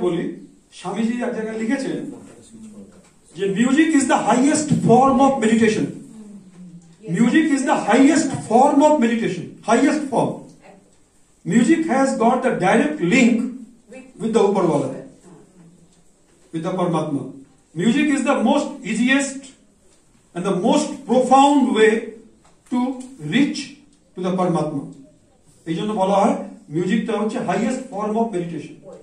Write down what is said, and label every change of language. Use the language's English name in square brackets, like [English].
[Bangla] বলি, স্বামীজি এক জায়গায় লিখেছেন যে [English] music is the highest form of meditation, [Bangla] music is the highest form of meditation, highest form. [English] Music has got a direct link with the Uparvala, with the Paramatma. Music is the most easiest and the most profound way to reach to the Paramatma. [Bangla] এই জন্য বলা হয় মিউজিকটা হচ্ছে [English] Highest form of meditation.